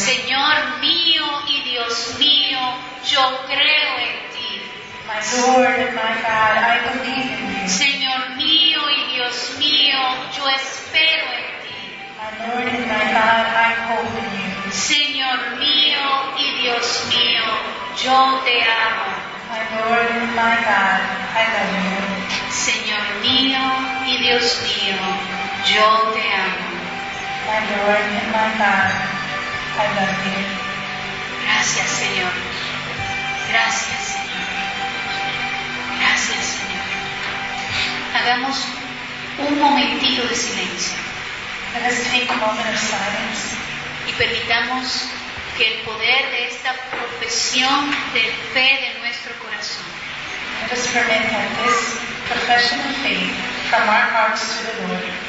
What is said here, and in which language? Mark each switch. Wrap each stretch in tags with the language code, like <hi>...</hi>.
<es>Señor mío y Dios mío, yo creo en ti.</es> <en>My Lord and my God, I believe in you.</en> <es>Señor mío y Dios mío, yo espero en ti.</es> <en>My Lord and my God, I hope in you.</en> <es>Señor mío y Dios mío, yo te amo.</es> <en>My Lord and my God, I love you.</en> <es>Señor mío y Dios mío, yo te amo.</es> <en>My Lord and my God, I love you.</en> <es>Gracias, Señor. Gracias, Señor. Gracias, Señor. Hagamos un momentito de silencio.</es> <en>Let us take a moment of silence.</en> <es>Y permitamos que el poder de esta profesión de fe de nuestro corazón.</es> <en>Let us permit that this profession of faith from our hearts to the Lord.</en>